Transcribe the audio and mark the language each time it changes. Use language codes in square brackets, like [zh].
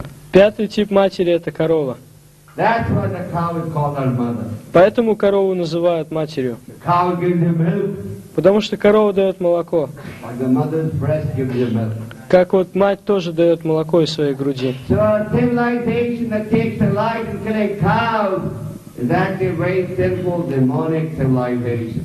[ru] Пятый тип матери — это корова. [en] That's why the cow is called our mother. [ru] Поэтому корову называют матерью. [en] The cow gives you milk. [ru] Потому что корова дает молоко. [en] Like the mother's breast gives you milk. [ru] Как вот мать тоже дает молоко из своей груди. [en] So a civilization that takes delight in killing cows is actually a very simple demonic civilization.